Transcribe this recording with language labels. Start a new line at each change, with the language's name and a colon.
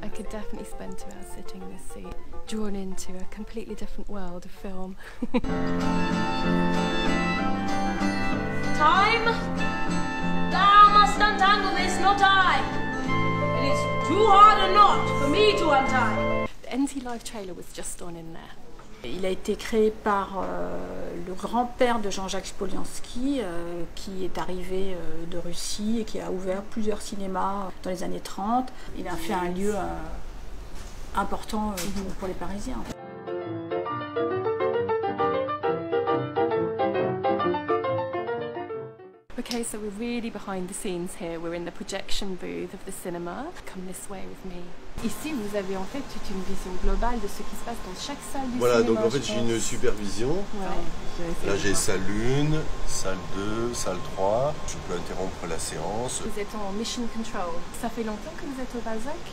English: Definitely spend 2 hours sitting in this seat, drawn into a completely different world of film. Time? Thou must untangle this, not I. It is too hard a knot for me to untie. The NT Live trailer was just on in there.
French: Il a été créé par le grand-père de Jean-Jacques Polianski, qui est arrivé de Russie et qui a ouvert plusieurs cinémas dans les années 30. Il a fait un lieu important pour les Parisiens.
English: Okay, so we're really behind the scenes here. We're in the projection booth of the cinema. Come this way with me.
French: Ici, vous avez en fait toute une vision globale de ce qui se passe dans chaque salle du cinéma. Voilà, donc en fait, j'ai une supervision. Ouais, là, j'ai salle 1, salle 2, salle 3. Je peux interrompre la séance. Vous êtes en mission control. Ça fait longtemps que vous êtes au Balzac?